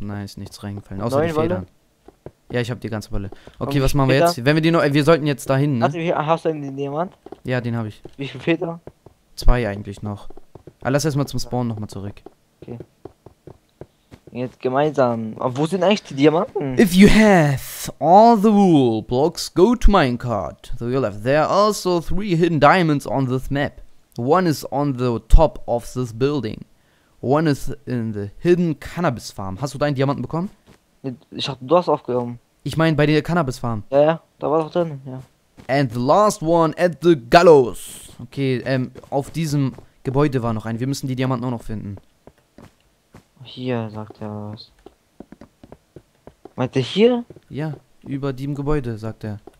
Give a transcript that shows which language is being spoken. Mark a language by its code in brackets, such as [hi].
[de] Nein, ist nichts reingefallen. Außer neun die Federn. Wolle? Ja, ich habe die ganze Wolle. Okay, was machen wir jetzt? Wenn wir die noch. Wir sollten jetzt dahin, ne? Hast du denn den Diamant? Ja, den habe ich. Wie viele Federn? 2 eigentlich noch. Aber lass erstmal zum Spawn nochmal zurück. Okay. Jetzt gemeinsam. Aber wo sind eigentlich die Diamanten? [en] If you have all the wool blocks, go to minecart. So you'll have there also 3 hidden diamonds on this map. One is on the top of this building. One is in the hidden cannabis farm. [de] Hast du deinen Diamanten bekommen? Ich hab, du hast aufgehoben. Ich meine bei der cannabis farm. Ja, ja, da war doch drin, ja. [en] And the last one at the gallows. [de] Okay, auf diesem Gebäude war noch ein. Wir müssen die Diamanten auch noch finden. Hier, sagt er was. Meint er hier? Ja, über dem Gebäude, sagt er.